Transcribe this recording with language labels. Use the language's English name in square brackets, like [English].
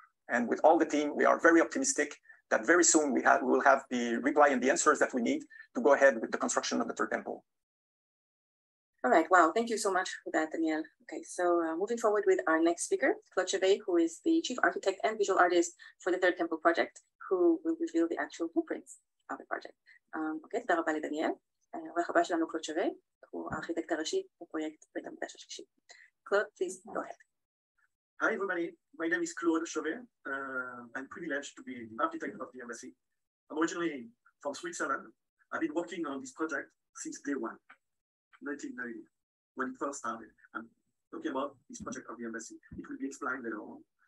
[English] And with all the team, we are very optimistic that very soon we will have the reply and the answers that we need to go ahead with the construction of the third temple. All right, wow, thank you so much for that, Daniel. Okay, so moving forward with our next speaker, Claude Chevet, who is the chief architect and visual artist for the Third Temple Project, who will reveal the actual blueprints of the project. [Hebrew] Okay, תודה רבה לדניאל. עורך הבא שלנו, קלוד שווה, הוא הארכיטקט הראשי בפרויקט בית המקדש השלישי. [English] קלוד, please, go ahead. Hi everybody, my name is Claude Chevet. I'm privileged to be the architect of the embassy. I'm originally from Switzerland. I've been working on this project since day one. 1990, when it first started. I'm talking about this project of the embassy. It will be explained later on.